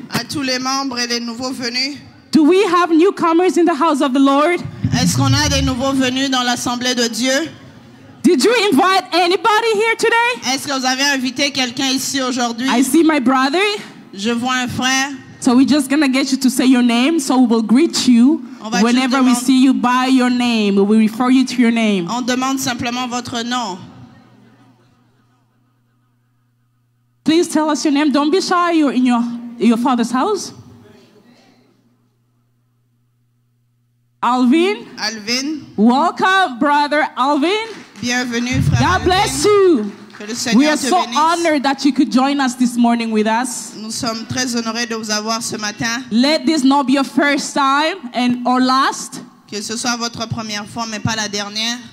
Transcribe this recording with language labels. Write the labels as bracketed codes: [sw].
[fr] À tous les membres et les nouveaux venus. [en] Do we have newcomers in the house of the Lord? [fr] Est-ce qu'on a des nouveaux venus dans l'assemblée de Dieu? [en] Did you invite anybody here today? [fr] Est-ce que vous avez invité quelqu'un ici aujourd'hui? [en] I see my brother. [fr] Je vois un frère. [en] So we're just gonna get you to say your name, so we will greet you. Whenever we see you by your name, we will refer you to your name. [fr] On demande simplement votre nom. [en] Please tell us your name. Don't be shy. You're in your father's house. Alvin. Alvin. Welcome, brother Alvin. [fr] Bienvenue, frère. [en] God bless you. [fr] Que le Seigneur [en] we are so [fr] bénisse. [en] Honored that you could join us this morning with us. [fr] Nous sommes très honorés de vous avoir ce matin. [en] Let this not be your first time and or last. [fr] Que ce soit votre première fois, mais pas la dernière.